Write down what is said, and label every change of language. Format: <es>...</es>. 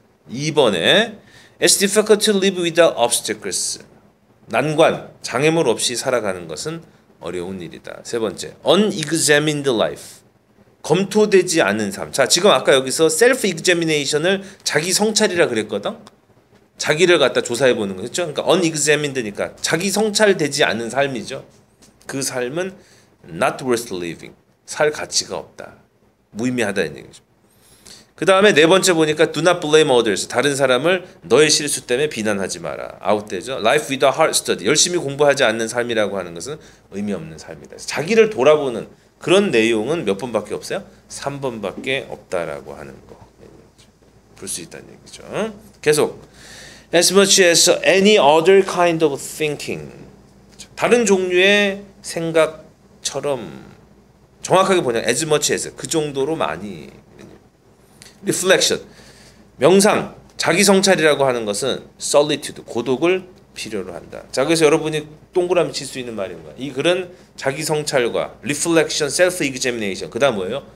<ko>2번에</ko> <en>it's difficult to live without obstacles</en> <ko>난관 장애물 없이 살아가는 것은 어려운 일이다. 세 번째</ko> <en>unexamined life</en> <ko>검토되지 않은 삶. 자 지금 아까 여기서 self examination을 자기 성찰이라 그랬거든. 자기를 갖다 조사해 보는 거죠. 그렇죠? 그러니까 unexamined니까 자기 성찰되지 않은 삶이죠. 그 삶은</ko> <en>not worth living.</en> <ko>살 가치가 없다. 무의미하다는 얘기죠. 그다음에 네 번째 보니까</ko> <en>do not blame others.</en> <ko>다른 사람을 너의 실수 때문에 비난하지 마라. 아웃되죠.</ko> <en>life without hard study.</en> <ko>열심히 공부하지 않는 삶이라고 하는 것은 의미 없는 삶이다. 자기를 돌아보는 그런 내용은 몇 번밖에 없어요? 3번밖에 없다라고 하는 거. 볼수 있다는 얘기죠.</ko> <en>계속 As much as any other kind of thinking.</en> <ko>다른 종류의 생각처럼 정확하게 보냐.</ko> <en>As much as.</en> <ko>그 정도로 많이. Reflection. 명상. 자기 성찰이라고 하는 것은 solitude. 고독을 필요로 한다. 자, 그래서 여러분이 동그라미 칠수 있는 말인 거야. 이 글은 자기 성찰과 reflection, self-examination. 그 다음 뭐예요?</ko>